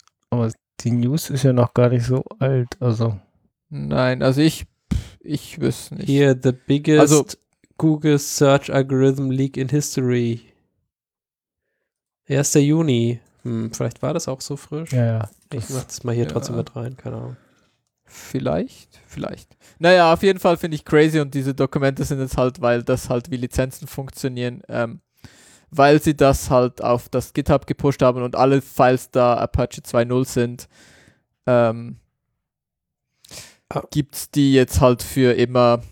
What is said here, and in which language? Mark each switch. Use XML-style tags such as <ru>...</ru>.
<de>Aber die News ist ja noch gar nicht so alt. Also. Nein, also ich wüsste nicht.</de> <en>Here, the biggest Google Search Algorithm Leak in History.</en> <de>1. Juni. Vielleicht war das auch so frisch. Ja, ja. Ich mach das mal hier trotzdem mit rein, keine Ahnung. Vielleicht. Naja, auf jeden Fall finde ich crazy, und diese Dokumente sind jetzt halt, weil das halt wie Lizenzen funktionieren, weil sie das halt auf das GitHub gepusht haben und alle Files da Apache 2.0 sind, gibt's die jetzt halt für immer.</de>